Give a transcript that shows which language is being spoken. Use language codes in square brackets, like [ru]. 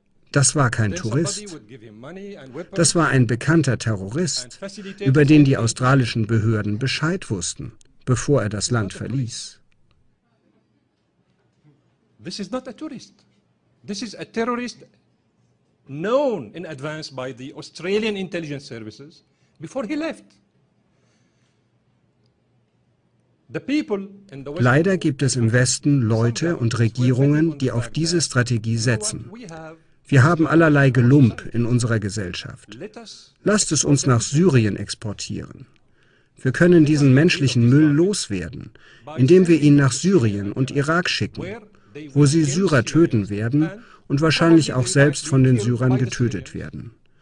[de] Das war kein Tourist. Das war ein bekannter Terrorist, über den die australischen Behörden Bescheid wussten, bevor er das Land verließ. [en] This is not a tourist. This is a terrorist known in advance by the Australian intelligence services before he left. [de] Leider gibt es im Westen Leute und Regierungen, die auf diese Strategie setzen. Wir haben allerlei Gelump in unserer Gesellschaft. Lasst es uns nach Syrien exportieren. Wir können diesen menschlichen Müll loswerden, indem wir ihn nach Syrien und Irak schicken, wo sie Syrer töten werden und wahrscheinlich auch selbst von den Syrern getötet werden.